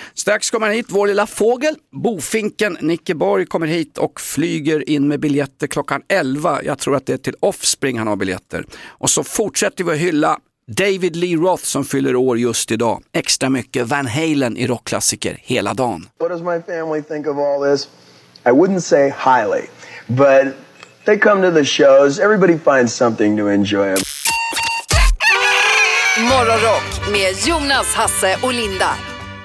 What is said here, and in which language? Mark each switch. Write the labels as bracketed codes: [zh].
[sv] Strax kommer hit vår lilla fågel. Bofinken Nickeborg kommer hit och flyger in med biljetter klockan 11. Jag tror att det är till Offspring han har biljetter. Och så fortsätter vi att hylla David Lee Roth som fyller år just idag. Extra mycket Van Halen i rockklassiker hela dagen. [en] What does my family think of all this? I wouldn't say highly, but they come to the shows. Everybody finds something to enjoy. [sv] Morgonrock med Jonas, Hasse och Linda.